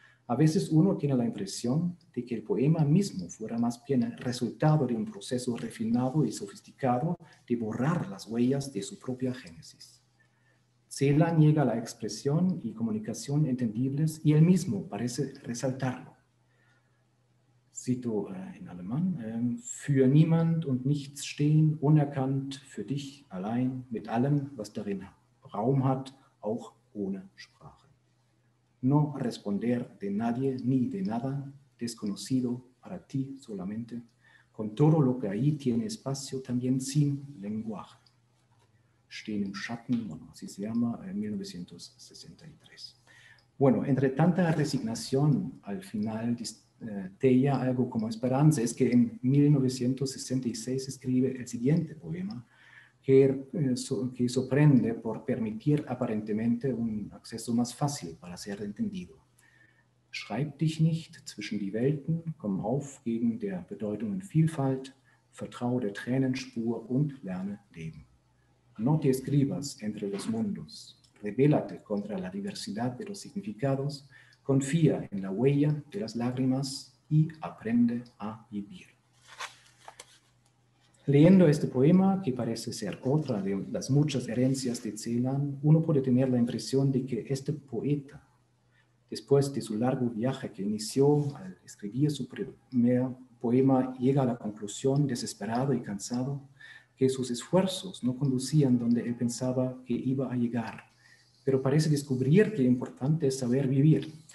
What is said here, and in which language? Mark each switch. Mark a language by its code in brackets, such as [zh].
[es] A veces uno tiene la impresión de que el poema mismo fuera más bien el resultado de un proceso refinado y sofisticado de borrar las huellas de su propia génesis. Celan niega la expresión y comunicación entendibles y él mismo parece resaltarlo. Cito en alemán, [de] für niemand und nichts stehen, unerkannt, für dich allein, mit allem, was darin Raum hat, auch ohne Sprache. [es] No responder de nadie ni de nada, desconocido para ti solamente, con todo lo que ahí tiene espacio también sin lenguaje. Stehen im Schatten, bueno, así se llama, 1963. Bueno, entre tanta resignación al final distinta, Tella algo como esperanza, es que en 1966 escribe el siguiente poema que sorprende por permitir aparentemente un acceso más fácil para ser entendido. [de] Schreib dich nicht zwischen die Welten, komm auf gegen der Bedeutungen Vielfalt, vertraue der Tränenspur und lerne leben. [es] No te escribas entre los mundos, rebélate contra la diversidad de los significados. Confía en la huella de las lágrimas y aprende a vivir. Leyendo este poema, que parece ser otra de las muchas herencias de Celan, uno puede tener la impresión de que este poeta, después de su largo viaje que inició al escribir su primer poema, llega a la conclusión, desesperado y cansado, que sus esfuerzos no conducían donde él pensaba que iba a llegar, pero parece descubrir que lo importante es saber vivir.